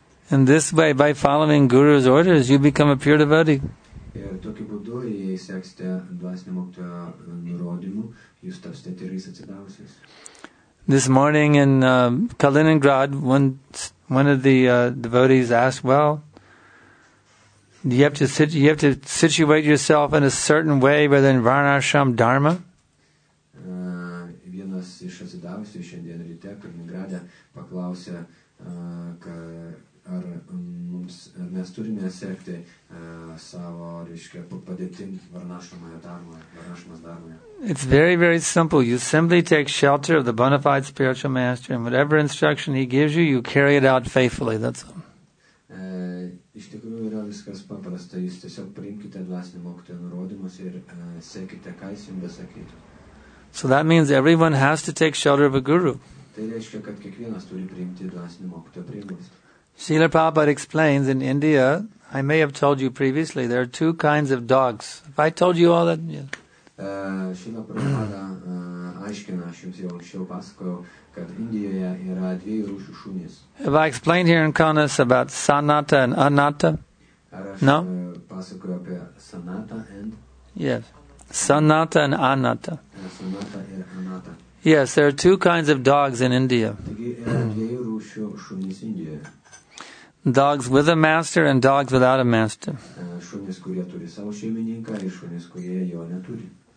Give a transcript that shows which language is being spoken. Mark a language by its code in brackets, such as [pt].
[en] In this way, by following Guru's orders, you become a pure devotee. [lt] Ir tokiu būdu, jei seksite dvasinio mokytojo nurodymų, jūs tapsite tyrais atsidavusiais. [en] This morning in Kaliningrad, one of the devotees asked, well, you have to situate yourself in a certain way rather than Varnasham Dharma. [lt] Vienas iš atsidavusių šiandien ryte Kaliningrade paklausė, mes turime sekti savo, reiškia, padėtim Varnashramoje darboje, Varnashramas darboje. [en] It's very, very simple. You simply take shelter of the bona fide spiritual master and whatever instruction he gives you, you carry it out faithfully. That's all. [lt] Iš tikrųjų yra viskas paprasta. Jūs tiesiog priimkite dvasinį mokytojo nurodymus ir sekite, ką jis jums besakytų. [en] So that means everyone has to take shelter of a guru. [lt] Tai reiškia, kad kiekvienas turi priimti dvasinį mokytojo prieglobstį. [en] Srila Prabhupada explains in India, I may have told you previously, there are two kinds of dogs. If I told you all that, yeah. [lt] Srila Prabhupada aiškina, aš jums jau anksčiau pasakojau, kad Indijoje yra dviejų rūšių šunys. [en] Have I explained here in Kaunas about Sanata and Anata? No? [lt] Pasakojau apie Sanata and? [en] Yes. Sanata and Anata. [lt] Sanata ir Anata. [en] Yes, there are two kinds of dogs in India. [lt] Taigi yra dviejų rūšių. šunys Indijoje. [en] Dogs with a master and dogs without a master. [lt] Šunys, kurie turi savo šeimininką, ir šunys, kurie jo neturi.